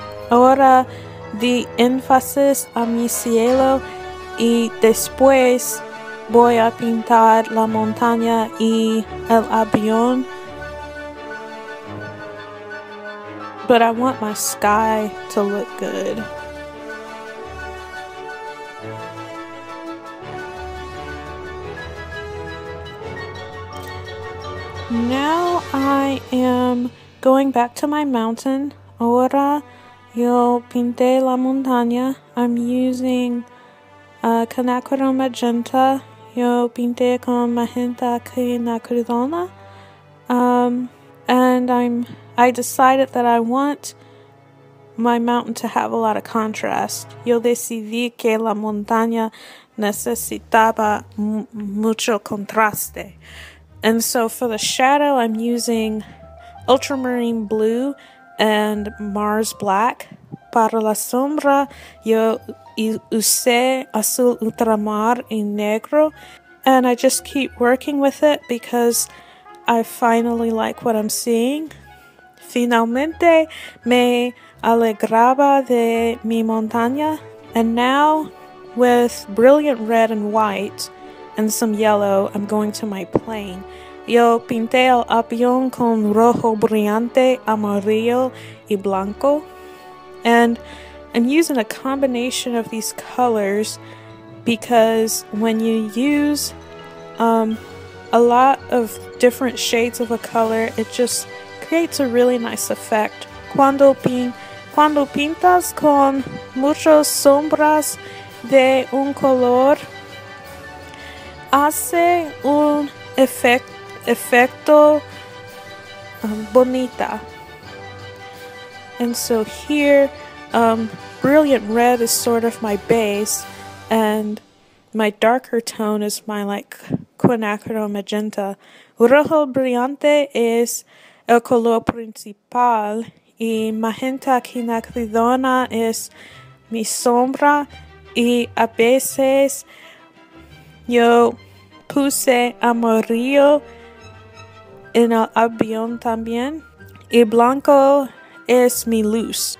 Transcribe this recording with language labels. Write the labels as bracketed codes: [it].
[es] Ahora di énfasis a mi cielo y después voy a pintar la montaña y el avión. [en] But I want my sky to look good. Now I am going back to my mountain. [es] Ahora yo pinté la montaña. [en] I'm using quinacridone magenta. [es] Yo pinté con magenta quinacridona. [en] and I decided that I want my mountain to have a lot of contrast. [es] Yo decidí que la montaña necesitaba mucho contraste. [en] And so for the shadow, I'm using ultramarine blue and Mars black. [es] Para la sombra, yo usé azul ultramar y negro. [en] And I just keep working with it because I finally like what I'm seeing. [es] Finalmente me alegraba de mi montaña. [en] And now with brilliant red and white and some yellow, I'm going to my plane. [es] Yo pinté el avión con rojo brillante, amarillo y blanco. [en] And I'm using a combination of these colors because when you use a lot of different shades of a color, it just creates a really nice effect. [es] Cuando pintas con muchas sombras de un color, hace un efecto bonita. [en] And so here, brilliant red is sort of my base, and my darker tone is my like Quinacridone magenta. [es] Rojo brillante es el color principal, y magenta Quinacridona es mi sombra, y a veces yo puse amarillo en el avión también, y blanco es mi luz.